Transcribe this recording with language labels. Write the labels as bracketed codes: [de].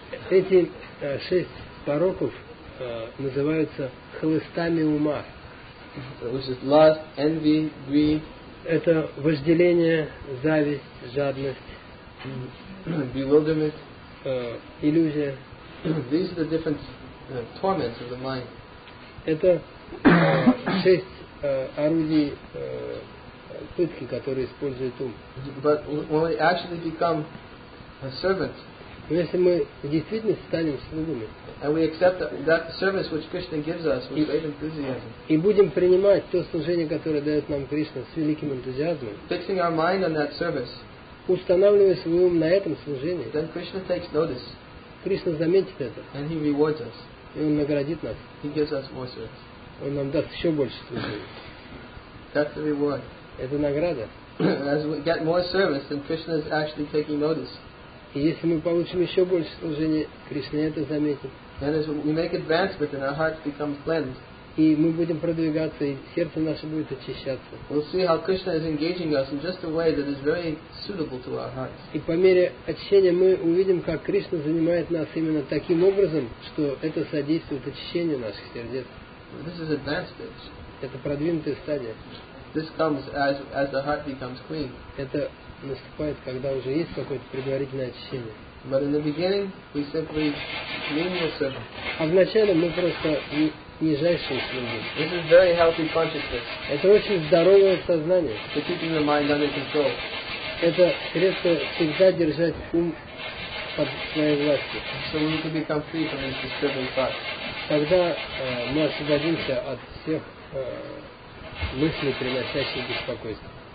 [ru] Эти шесть пороков называются хлыстами ума. [en] Which is lust, envy, greed. [ru] Это вожделение, зависть, жадность, [en] bewilderment, [ru] иллюзия. [en] These are the different torments of the mind. [ru] Это шесть орудий пытки, которые использует ум. [en] But when we actually become a servant, [ru] если мы действительно станем слугами, [en] and we accept that service which Krishna gives us with great enthusiasm, [ru] и будем принимать то служение, которое дает нам Кришна, с великим энтузиазмом, [en] fixing our mind on that service, [ru] устанавливая свой ум на этом служении, [en] then Krishna takes notice. [ru] Кришна заметит это, [en] and he rewards us. [ru] И он наградит нас. [en] He gives us more service. [ru] Он нам даст еще больше служения. [en] That's the reward. [ru] Это награда. [en] As we get more service, then Krishna is actually taking notice. [ru] И если мы получим еще больше служения, Кришна это заметит. [en] And as we make advancement and our hearts become cleansed, [ru] И мы будем продвигаться, и сердце наше будет очищаться. [en] We'll see how Krishna is engaging us in just a way that is very suitable to our hearts. [ru] И по мере очищения мы увидим, как Кришна занимает нас именно таким образом, что это содействует очищению наших сердец. [en] This is advanced stage. [ru] Это продвинутая стадия. [en] This comes as the heart becomes clean. [ru] Это наступает, когда уже есть какое-то предварительное очищение. [en] But in the beginning, we simply clean yourself. [ru] А вначале мы просто нижайшие слуги. [en] This is very healthy consciousness. [ru] Это очень здоровое сознание. [en] To keep the mind under control. [ru] Это средство всегда держать ум под своей властью. [en] So we can become free from these disturbing thoughts. [ru] Тогда мы освободимся от всех мыслей, приносящих беспокойство.